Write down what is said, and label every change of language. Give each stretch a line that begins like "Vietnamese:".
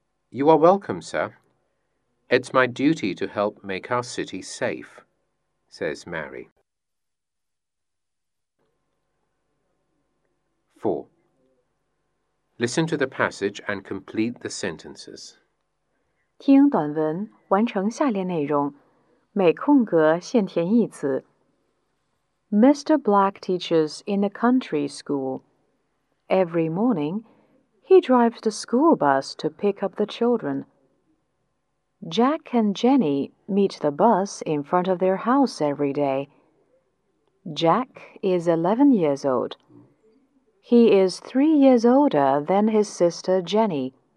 English: "You are welcome, sir. It's my duty to help make our city safe," says Mary. 4. Listen to the passage and complete the sentences.
Chinese: 听短文，完成下列内容，每空格限填一词。
English: Mr. Black teaches in a country school. Every morning, he drives the school bus to pick up the children. Jack and Jenny meet the bus in front of their house every day. Jack is 11 years old. He is 3 years older than his sister Jenny.